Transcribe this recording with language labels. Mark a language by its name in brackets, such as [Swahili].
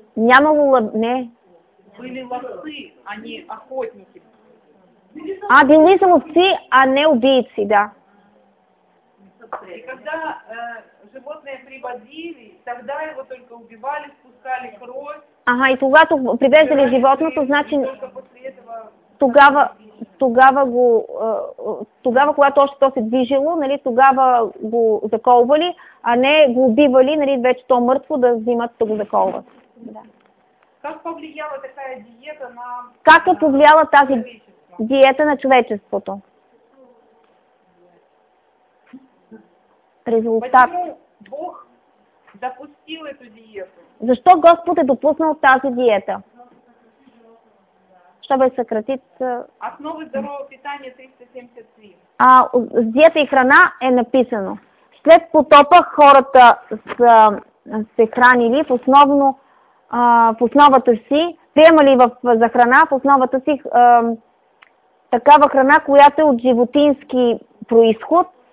[Russian] Были ловцы, а не охотники. [Bulgarian] Били са ловци, а не убийци, да. [Russian] И когда животные приводили, тогда его только убивали, спускали кровь. [Bulgarian] Ага, и когато привезли животното, значи тогава, когато още то се движило, нали, тогава го заколвали, а не го убивали, нали, вече то мъртво, да взимат да го заколват. Да. [Russian] Как повлияла такая диета на... [Bulgarian] Как е повлияла тази диета на човечеството? [Russian] Резултат. Почему Бог допустил эту диету? [Bulgarian] Защо Господ е допуснал тази диета? [Russian] Чтобы сократить... Основы здорового питания 373. [Bulgarian] С диета и храна е написано. След потопа хората се хранили в основата си, приемали за храна в основата си такава храна, която е от животински происход.